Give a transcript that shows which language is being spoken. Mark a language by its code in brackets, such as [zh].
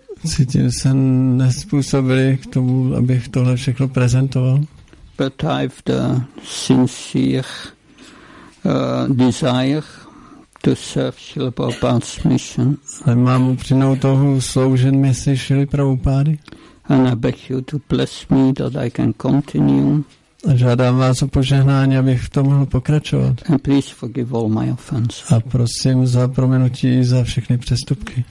[cs] Cítím se nespůsobili k tomu, abych tohle všechno prezentoval. [en] But I've the sincere desire to serve Srila Prabhupada's mission. [cs] Ale mám upřímnou touhu sloužit misi Srily Prabhupady. [en] And I beg you to bless me that I can continue. [cs] A žádám vás o požehnání, abych to mohl pokračovat. [en] And please forgive all my offenses. [cs] A prosím za prominutí za všechny přestupky.